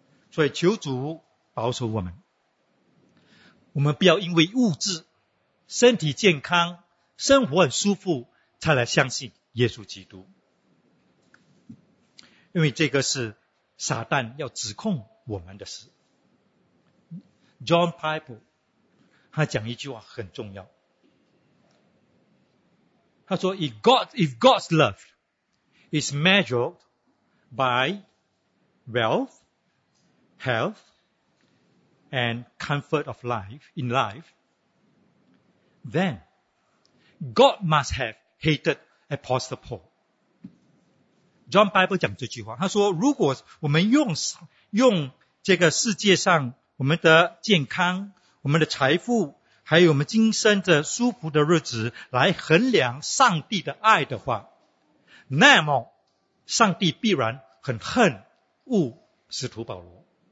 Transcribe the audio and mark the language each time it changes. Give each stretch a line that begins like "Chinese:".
Chinese: 所以求主保守我们，我们不要因为物质、身体健康、生活很舒服才来相信耶稣基督，因为这个是撒旦要指控我们的事。
English: John Piper
Chinese: 他讲一句话很重要，他说
English: If God's love is measured by wealth, health and comfort of life in life, then God must have hated Apostle Paul.
Chinese: John Piper 讲这句话，他说如果我们用这个世界上我们的健康、我们的财富还有我们今生的舒服的日子来衡量上帝的爱的话，那么上帝必然很恨恶使徒保罗。